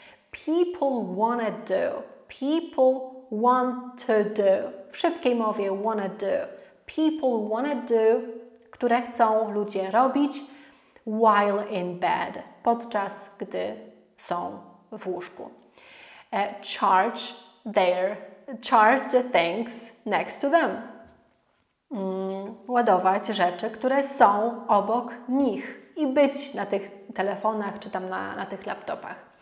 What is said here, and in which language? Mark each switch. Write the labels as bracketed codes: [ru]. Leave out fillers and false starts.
[en] People wanna do. People want to do. [pl] W szybkiej mowie wanna do. [en] People wanna do, [pl] które chcą ludzie robić. [en] While in bed, [pl] podczas gdy są w łóżku. [en] Charge their, charge the things next to them. [pl] Ładować rzeczy, które są obok nich i być na tych telefonach czy tam na tych laptopach.